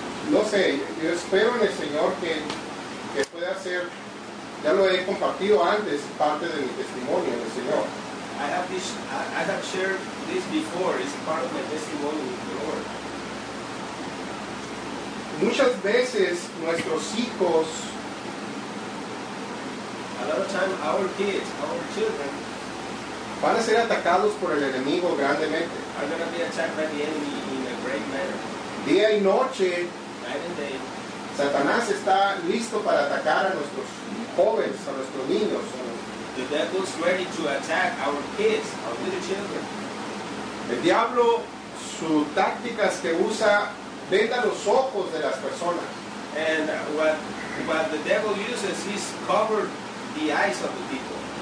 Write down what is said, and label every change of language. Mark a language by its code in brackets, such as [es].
[es] No sé, yo espero en el Señor que pueda ser. Ya lo he compartido antes, parte de mi testimonio en el Señor. [en] I have shared this before. It's part of my testimony with the Lord. [es] Muchas veces nuestros hijos, [en] a lot of time our kids, our children, [es] van a ser atacados por el enemigo grandemente. [en] Are going to be attacked by the enemy in a great manner. [es] Día y noche, [en] night and day, [es] Satanás está listo para atacar a nuestros jóvenes, a nuestros niños. [en] The devil's ready to attack our kids, our little children. [es] El diablo, su táctica es que usa venda los ojos de las personas. [en] And what the devil uses is cover the eyes of the people.